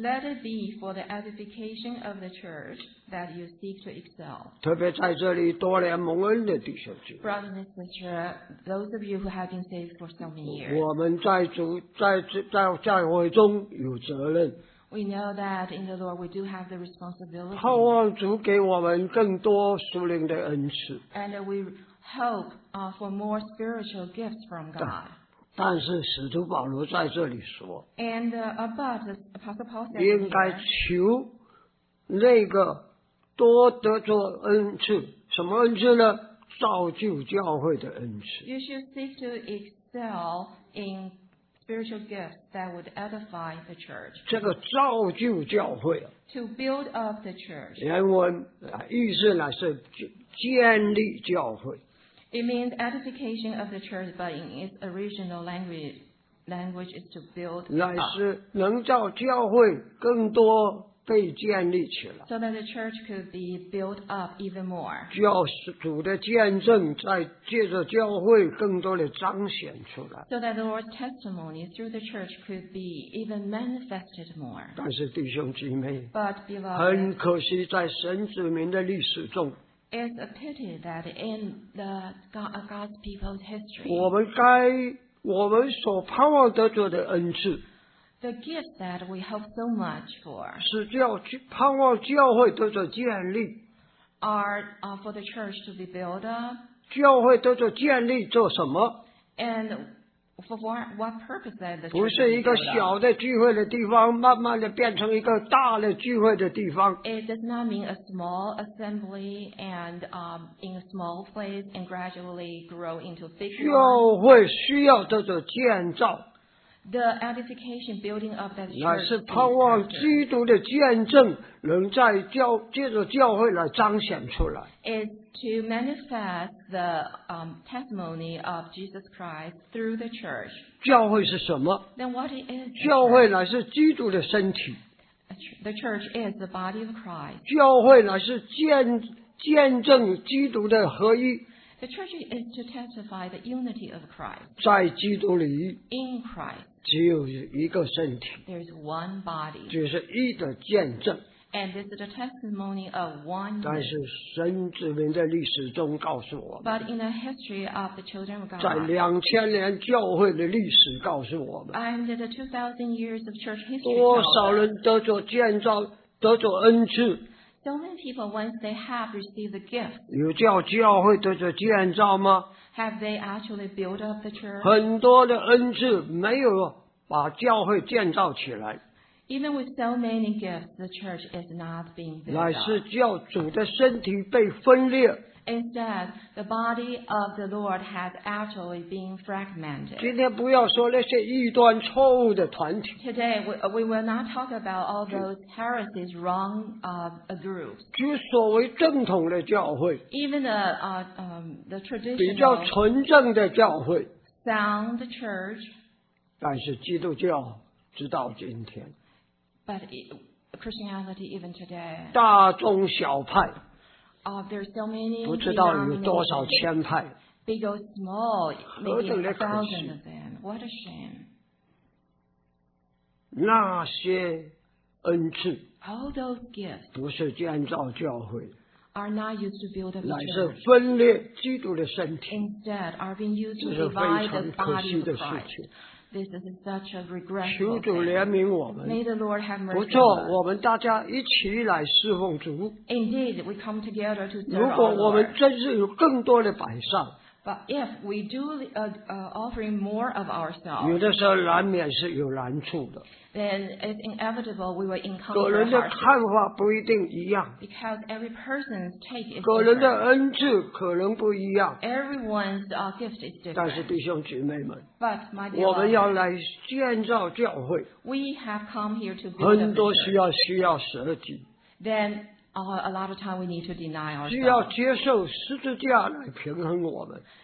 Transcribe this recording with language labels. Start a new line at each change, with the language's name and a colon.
English: Let it be for the edification of the church that you seek to excel.
Chinese: 特别在这里多年蒙恩的弟兄姐妹，
English: Brothers and sisters, those of you who have been saved for so many years,
Chinese: 我们在主在教会中有责任。
English: We know that in the Lord we do have the responsibility.
Chinese: 盼望主给我们更多属灵的恩赐。
English: And we hope for more spiritual gifts from God.
Chinese: 但是使徒保罗在这里说，
English: and, but the Apostle Paul said,
Chinese: 应该求那个多得做恩赐，什么恩赐呢？造就教会的恩赐。
English: You should seek to excel in spiritual gifts that would edify the church.
Chinese: 这个造就教会，
English: to build up the church.
Chinese: 原文意思呢是建立教会。
English: It means edification of the church, but in its original language is to build up.
Chinese: 乃是能叫教会更多被建立起来。
English: So that the church could be built up even more.
Chinese: 叫主的见证在借着教会更多的彰显出来。
English: So that the Lord's testimony through the church could be even manifested more.
Chinese: 但是弟兄姐妹，
English: but, beloved,
Chinese: 很可惜在神子民的历史中，
English: It's a pity that in the God's people's history,
Chinese: 我们该我们所盼望得着的恩赐，
English: the gift that we hope so much for,
Chinese: 是叫盼望教会得着建立，
English: are for the church to be built up.
Chinese: 教会得着建立做什么？
English: And for what purpose that the church
Chinese: 不是一个小的聚会的地方，慢慢的变成一个大的聚会的地方。
English: It does not mean a small assembly and in a small place and gradually grow into a big one.
Chinese: 教会需要这种建造。
English: The edification building of that church.
Chinese: 乃是盼望基督的见证能在教借着教会来彰显出来。
English: Is to manifest the testimony of Jesus Christ through the church.
Chinese: 教会是什么？
English: Then what is?
Chinese: 教会乃是基督的身体。
English: The church is the body of Christ.
Chinese: 教会乃是见证基督的合一。
English: The church is to testify the unity of Christ.
Chinese: 在基督里。
English: In Christ.
Chinese: 只有一个身体。
English: There is one body.
Chinese: 就是一的见证。
English: And this is the testimony of one year.
Chinese: 但是神指明在历史中告诉我们。
English: But in the history of the children of God.
Chinese: 在两千年教会的历史告诉我们。
English: And the 2000 years of church history.
Chinese: 多少人得着建造，得着恩赐。
English: So many people, once they have received the gift.
Chinese: 有叫教会得着建造吗？
English: Have they actually built up the church?
Chinese: 很多的恩赐没有把教会建造起来。
English: Even with so many gifts, the church is not being built up.
Chinese: 乃是叫主的身体被分裂。
English: Instead, the body of the Lord has actually been fragmented.
Chinese: 今天不要说那些异端错误的团体。
English: Today, we will not talk about all those heresies wrong groups.
Chinese: 就所谓正统的教会。
English: Even the traditional.
Chinese: 比较纯正的教会。
English: Sound church.
Chinese: 但是基督教直到今天。
English: But Christianity even today.
Chinese: 大众小派。
English: There's so many.
Chinese: 不知道有多少千派。
English: Big or small, maybe thousands of them. What a shame.
Chinese: 那些恩赐。
English: All those gifts.
Chinese: 不是建造教会。
English: Are not used to build a church.
Chinese: 乃是分裂基督的身体。
English: Instead, are being used to divide the body of Christ. This is such a regretful thing.
Chinese: 求主怜悯我们。
English: May the Lord have mercy.
Chinese: 不错，我们大家一起来侍奉主。
English: Indeed, we come together to serve the
Chinese: Lord. 如果我们真是有更多的摆上。
English: But if we do offering more of ourselves.
Chinese: 有的时候难免是有难处的。
English: Then it's inevitable we will encounter hardship.
Chinese: 个人的看法不一定一样。
English: Because every person's take is different.
Chinese: 个人的恩赐可能不一样。
English: Everyone's gift is different.
Chinese: 但是弟兄姊妹们。
English: But my dear Lord,
Chinese: 我们要来建造教会。
English: We have come here to build a
Chinese: church. 很多需要舍己。
English: Then a lot of time we need to deny ourselves.
Chinese: 需要接受十字架来平衡我们。